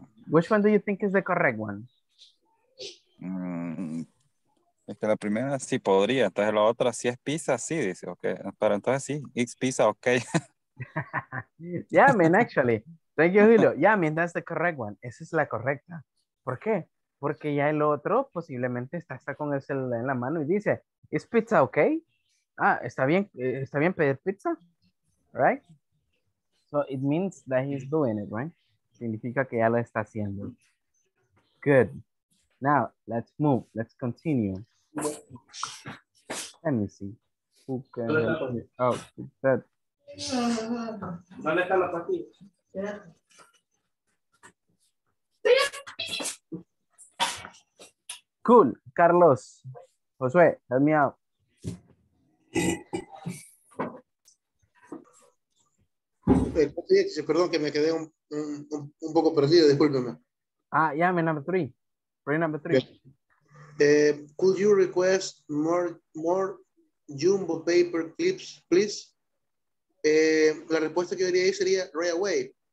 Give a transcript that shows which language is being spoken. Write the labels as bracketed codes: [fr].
[en] Which one do you think is the correct one? [es] Es que la primera sí podría, entonces la otra sí es pizza, sí, dice, okay. Pero entonces sí, [en] it's pizza okay. Yeah, man, actually. Thank you, Julio. Yeah, I mean, that's the correct one. [es] Esa es la correcta. ¿Por qué? Porque ya el otro posiblemente está con el celular en la mano y dice, ¿es pizza okay? Ah, ¿está bien pedir pizza? Right? [en] So it means that he's doing it, right? [es] Significa que ya lo está haciendo. [en] Good. Now, let's move. Let's continue. Let me see. Who can help me? Oh, that. [es] ¿Dónde está la patilla? [en] Cool, Carlos, Josué, help me out. [es] Perdón que me quedé un poco perdido, discúlpeme. [en] Ah, yeah, me number three. Bring number three. Could you request more jumbo paper clips, please? [es] La respuesta que diría ahí sería [en] right away.